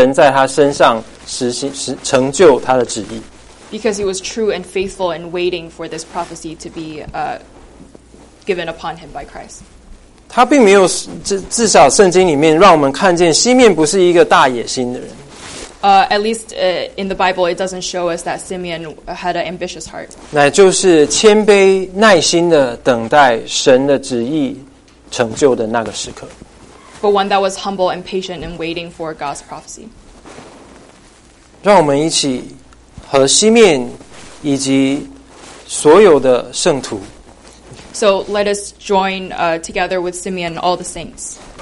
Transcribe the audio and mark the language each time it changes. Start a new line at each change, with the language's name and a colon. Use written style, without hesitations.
Chinese: 因为他是这样一个信实的忠诚的等待着神在他身上成就他的旨意
English: Because he was true and faithful and waiting for this prophecy to be given upon him by Christ
Chinese: 他并没有至少圣经里面让我们看见西面不是一个大野心的人
English: At least in the Bible, it doesn't show us that Simeon had an ambitious heart.
Chinese: 那就是谦卑耐心的等待神的旨意成就的那个时刻。
English: But one that was humble and patient in waiting for God's prophecy.
Chinese: 让我们一起和西面以及所有的圣徒。
English: So let us join together with Simeon all the saints.